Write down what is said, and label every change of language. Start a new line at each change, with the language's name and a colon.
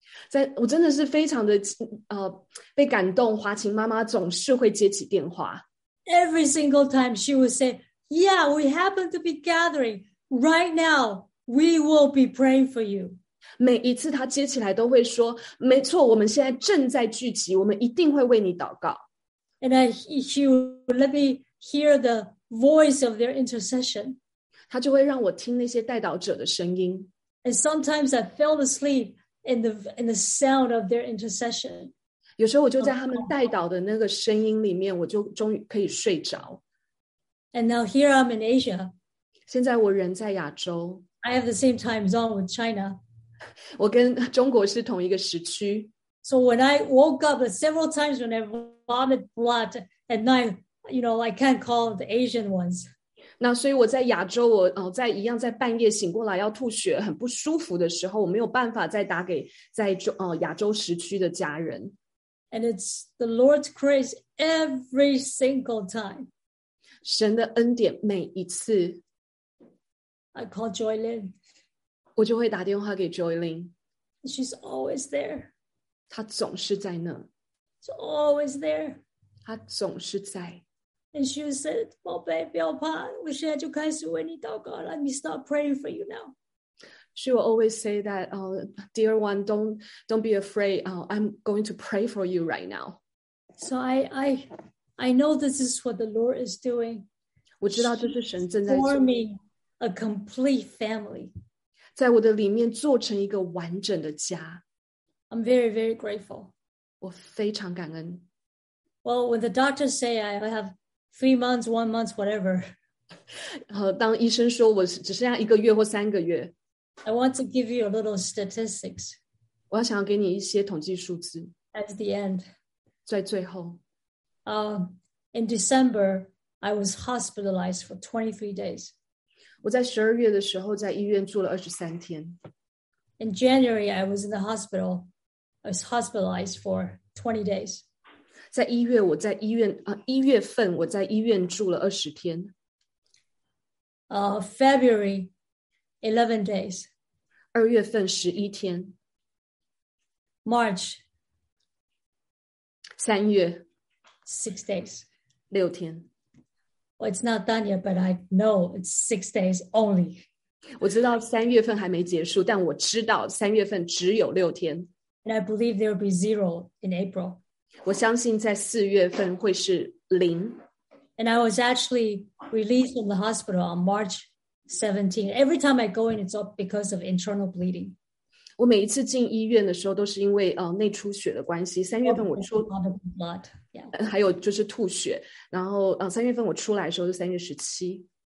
Chinese: 在我真的是非常的被感动，华清妈妈总是会接起电话。
English: Every single time, she would say, "Yeah, we happen to be gathering right now. We will be praying for you."
Chinese: 每一次他接起来都会说，没错，我们现在正在聚集，我们一定会为你祷告。
English: And he would let me hear the voice of their intercession.
Chinese: 他就会让我听那些代祷者的声音。
English: And sometimes I fell asleep in the sound of their intercession.
Chinese: 有时候我就在他们代祷的那个声音里面，我就终于可以睡着。
English: And now here I'm in Asia.
Chinese: 现在我人在亚洲。
English: I have the same time zone with China.
Chinese: 我跟中国是同一个时区。
English: So when I woke up several times when I vomit blood at night, you know, I can't call the Asian ones.
Chinese: 那所以我在亚洲，我在一样在半夜醒过来要吐血，很不舒服的时候，我没有办法再打给在亚洲时区的家人。
English: And it's the Lord's grace every single time.
Chinese: 神的恩典每一次。
English: I call Joy Lin.
Chinese: 我就会打电话给 Joy Lin.
English: She's always there.
Chinese: 她总是在那。
English: She's always there.
Chinese: 她总是在。
English: And she said,
Chinese: 宝贝不要怕，我现在就开始为你祷告。
English: Let me start praying for you now. She will always say that, dear one, don't be afraid. I'm going to pray for you right now. So I know this is what the Lord is doing.
Chinese: 我知道这是神正在做。
English: Forming a complete family.
Chinese: 在我的里面做成一个完整的家。
English: I'm very, very grateful.
Chinese: 我非常感恩。
English: Well, when the doctors say I have3 months, 1 month, whatever.
Chinese: 当医生说我只剩下一个月或三个月。
English: I want to give you a little statistics.
Chinese: 我要想要给你一些统计数字。
English: At the end.
Chinese: 在最后。
English: In December, I was hospitalized for 23 days.
Chinese: 我在十二月的时候在医院住了23天。
English: In January, I was in the hospital. I was hospitalized for 20 days.
Chinese: 在一月我在医院一月份我在医院住了20天。
English: February, 11 days.
Chinese: 二月份11天。
English: March,
Chinese: 三月。
English: 6 days.
Chinese: 六天。
English: Well, it's not done yet, but I know it's 6 days only.
Chinese: 我知道三月份还没结束，但我知道三月份只有六天。
English: And I believe there will be zero in April.
Chinese: 我相信在四月份会是零。
English: And I was actually released from the hospital on March 17. Every time I go in, it's all because of internal bleeding.
Chinese: 我每一次进医院的时候都是因为内出血的关系。三月份我出了
English: blood, yeah.
Chinese: 还有就是吐血。然后三月份我出来的时候是三月十七。